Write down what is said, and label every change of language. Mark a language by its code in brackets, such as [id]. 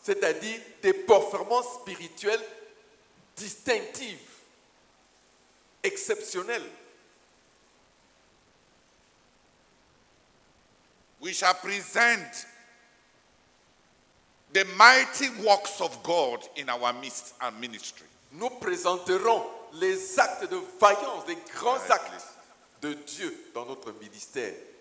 [fr] C'est-à-dire des performances spirituelles distinctives, exceptionnelles. [en] We shall present the mighty works of God in our midst and ministry. [fr] Nous présenterons les actes de vaillance, les grands actes de Dieu dans notre ministère.